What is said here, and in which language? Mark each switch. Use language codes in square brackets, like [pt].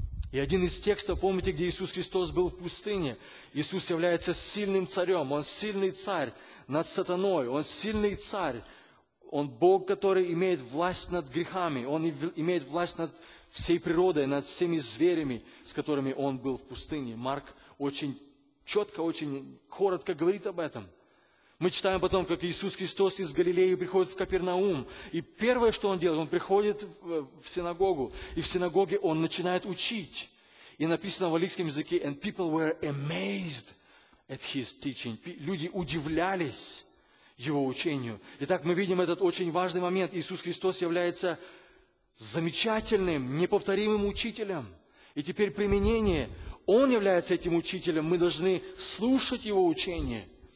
[ru] И один из текстов, помните, где Иисус Христос был в пустыне? Иисус является сильным царем, Он сильный царь над сатаной, Он сильный царь, Он Бог, который имеет власть над грехами, Он имеет власть над всей природой, над всеми зверями, с которыми Он был в пустыне. Марк очень четко, очень коротко говорит об этом. Мы читаем потом, как Иисус Христос из Галилеи приходит в Капернаум. И первое, что Он делает, Он приходит в синагогу. И в синагоге Он начинает учить. И написано в аллийском языке, [en] «And people were amazed at His teaching». [ru] Люди удивлялись Его учению. Итак, мы видим этот очень важный момент. Иисус Христос является замечательным, неповторимым учителем. И теперь применение. Он является этим учителем. Мы должны слушать Его учение.